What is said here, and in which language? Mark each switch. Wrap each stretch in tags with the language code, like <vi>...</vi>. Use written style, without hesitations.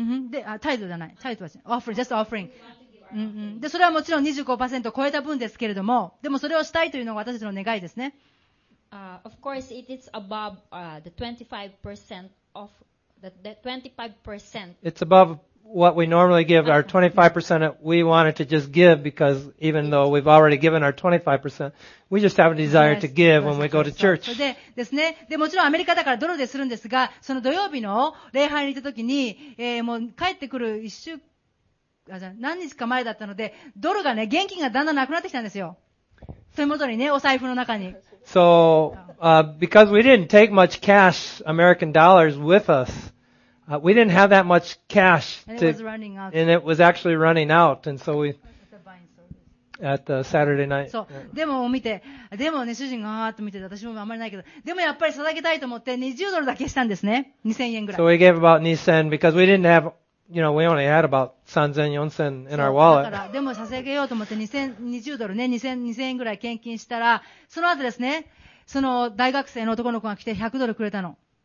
<ja>で、タイトじゃない。タイトは違う。</ja> <en>offering, just offering.</en> <ja>で、それはもちろん 25% を超えた分ですけれども、でもそれをしたいというのが私たちの願いですね。</ja> <en>Of course, it is above the 25% of the 25%. It's above what we normally give. Our 25% we wanted to just give because even though we've already given our 25%, we just have a desire to give when we go to church.</en> <ja>それでですね、でもちろんアメリカだからドルでするんですが、その土曜日の礼拝に行った時に、もう帰ってくる一週、あ、じゃあ何日か前だったので、ドルがね、現金がだんだんなくなってきたんですよ。手元にね、お財布の中に。</ja> <en>So, because we didn't take much cash, American dollars with us,we didn't have that much cash to, and, it was running out. And it was actually running out, and so we, at the Saturday night.</en> <ja>そう。でも見て、でもね、主人がーっと見てて、私もあんまりないけど、でもやっぱり捧げたいと思って20ドルだけしたんですね。 2000円ぐらい。</ja> <en>So we gave about 2000 because we didn't have, you know, we only had about 3000, 4000 in our wallet.</en> <ja>だから、でも捧げようと思って2000、20ドルね、2000円ぐらい献金したら、その後ですね、その大学生の男の子が来て100ドルくれたの。</ja>